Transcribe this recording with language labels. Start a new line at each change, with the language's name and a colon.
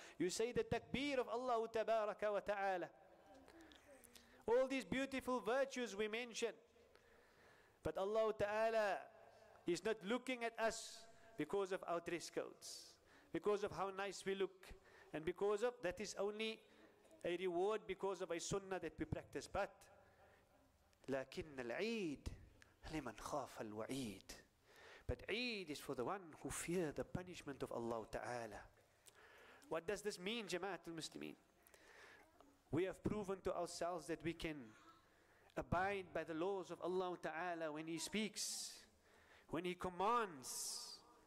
English: You say the takbir of Allahu Tabaraka wa Ta'ala. All these beautiful virtues we mention. But Allah Ta'ala is not looking at us because of our dress codes. Because of how nice we look. And because of, that is only a reward because of a sunnah that we practice.
Arabic: But, لكن العيد لمن خاف الوعيد.
English: But Eid is for the one who fear the punishment of Allah Ta'ala. What does this mean, Jama'at al-Muslimin? We have proven to ourselves that we can abide by the laws of Allah Ta'ala when He speaks, when He commands.